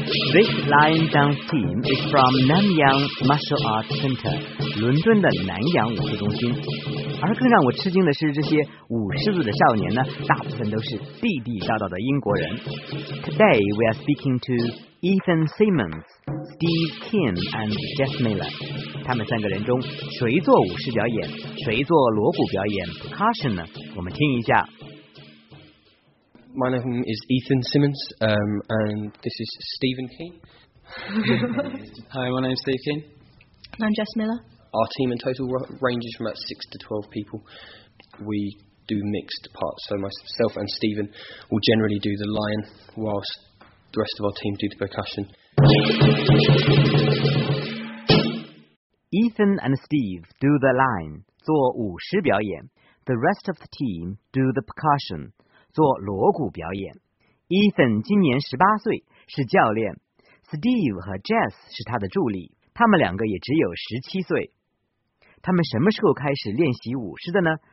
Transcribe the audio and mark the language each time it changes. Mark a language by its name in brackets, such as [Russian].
[English] This lion dance team is from Nanyang Martial Arts Center, [Chinese] 伦敦的南洋武术中心。而更让我吃惊的是，这些舞狮子的少年呢，大部分都是地地道道的英国人。 [English] Today we are speaking to Ethan Simmons, Steve Kim and Jeff Miller. [Chinese] 他们三个人中，谁做舞狮表演，谁做锣鼓表演 percussion 呢？我们听一下。 [English] My name is Ethan Simmons, and this is Stephen King. Hi, my name is Steve King. And I'm Jess Miller. Our team in total ranges from about 6 to 12 people. We do mixed parts, so myself and Stephen will generally do the lion, whilst the rest of our team do the percussion. Ethan and Steve do the lion, [Chinese] 做舞狮表演。 [English] The rest of the team do the percussion. [Chinese] 做锣鼓表演。 Ethan 今年18岁，是教练。Steve 和 Jess 是他的助理，他们两个也只有17岁。他们什么时候开始练习舞狮的呢？